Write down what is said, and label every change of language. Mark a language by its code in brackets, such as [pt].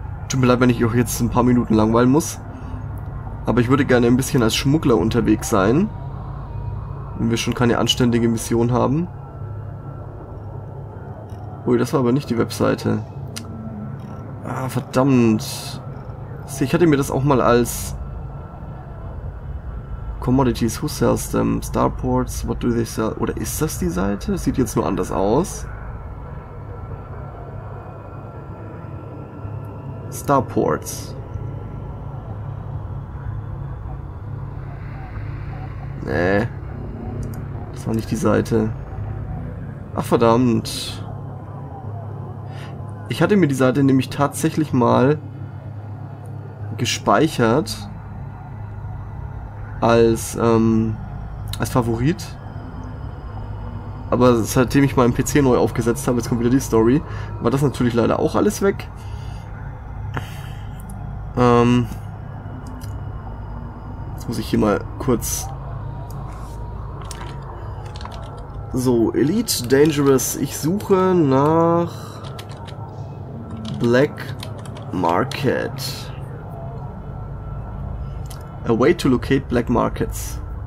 [de] Tut mir leid, wenn ich euch jetzt ein paar Minuten langweilen muss. Aber ich würde gerne ein bisschen als Schmuggler unterwegs sein. Wenn wir schon keine anständige Mission haben. Ui, das war aber nicht die Webseite. Ah, verdammt. Ich hatte mir das auch mal als... [en] Commodities, who sells them? Starports, what do they sell? [de] Oder ist das die Seite? Sieht jetzt nur anders aus. [en] Starports. [de] Nee. Das war nicht die Seite. Ach, verdammt. Ich hatte mir die Seite nämlich tatsächlich mal gespeichert als Favorit. Aber seitdem ich meinen PC neu aufgesetzt habe, jetzt kommt wieder die Story, war das natürlich leider auch alles weg. Jetzt muss ich hier mal kurz... So, Elite Dangerous. Ich suche nach Black Market. [en] A way to locate Black Markets.